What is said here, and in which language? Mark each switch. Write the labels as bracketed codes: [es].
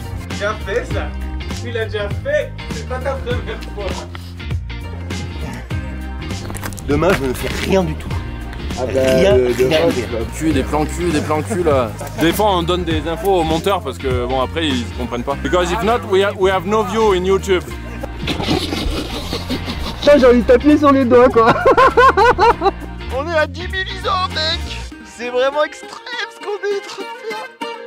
[fr] Déjà fait ça, tu l'as déjà fait, c'est pas ta première fois. Demain je ne fais rien du tout. Ah ben, demain, cul, des plans cul, des plans cul là. Des fois on donne des infos aux monteurs parce que bon après ils ne comprennent pas. [en] Because if not, we have no view in YouTube. [fr] Putain, j'ai envie de taper sur les doigts quoi. On est à 10 000 ISO mec. C'est vraiment extrême ce qu'on est en train de faire.